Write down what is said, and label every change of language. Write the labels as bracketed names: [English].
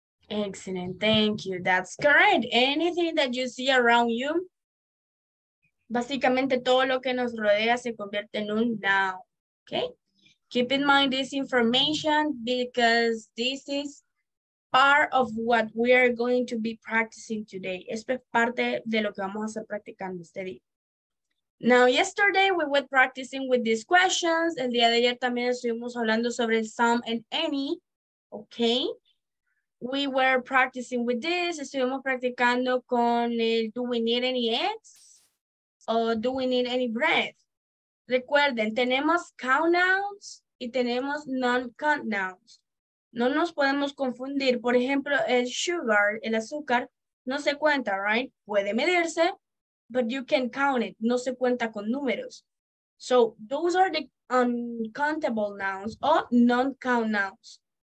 [English] Excellent, thank you. That's correct. Anything that you see around you, [Spanish] básicamente todo lo que nos rodea se convierte en un [English] noun, okay? Keep in mind this information because this is part of what we are going to be practicing today. [Spanish] Esto es parte de lo que vamos a estar practicando este día. [English] Now, yesterday we were practicing with these questions. [Spanish] El día de ayer también estuvimos hablando sobre some and any, okay? [English] We were practicing with this. [Spanish] Estuvimos practicando con el [English] do we need any eggs? Or do we need any bread? [Spanish] Recuerden, tenemos [English] count nouns y tenemos non-count nouns. [Spanish] No nos podemos confundir. Por ejemplo, el sugar, el azúcar, no se cuenta, right? Puede medirse. [English] But you can count it, [Spanish] no se cuenta con números. [English] So those are the uncountable nouns or non-count nouns.